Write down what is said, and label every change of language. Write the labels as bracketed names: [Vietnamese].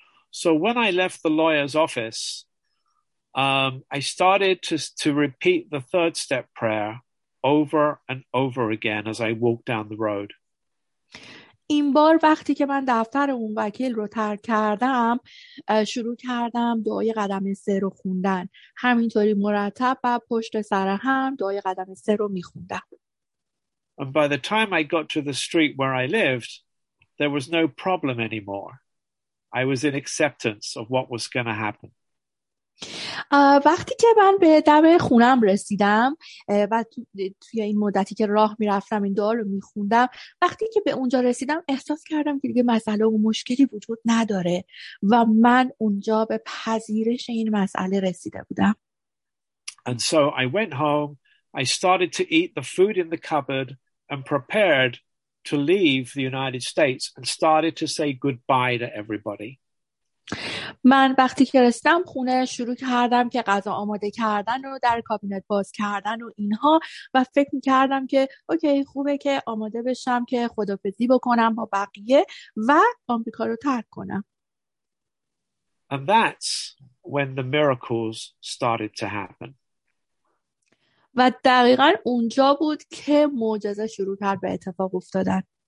[English] So when I left the lawyer's office, I started to repeat the third step prayer over and over again as I walked down the road. [Persian] این بار وقتی که من دفتر اون وکیل رو ترک کردم شروع کردم دعای قدم سه رو خوندن، همینطوری مرتب و پشت سر هم دعای قدم سه رو میخوندم. [English] And by the time I got to the street where I lived, there was no problem anymore. I was in acceptance of what was going to happen. [Persian] وقتی که من به دم خونم رسیدم و توی این مدتی که راه می‌رفتم این دعا رو می‌خوندم، وقتی که به اونجا رسیدم احساس کردم که دیگه مسئله و مشکلی وجود نداره و من اونجا به پذیرش این مسئله رسیده بودم. [English] And so I went home, I started to eat the food in the cupboard and prepared to leave the United States and started to say goodbye to everybody. [Persian] من وقتی که رسیدم خونه شروع کردم که غذا آماده کردن و در کابینت باز کردن و اینها و فکر می‌کردم که اوکی خوبه که آماده بشم که خدافظی بکنم با بقیه و آمریکا رو ترک کنم. [English] And that's when the miracles started to happen. [Persian] و دقیقا اونجا بود که معجزه شروع کرد به اتفاق افتادن.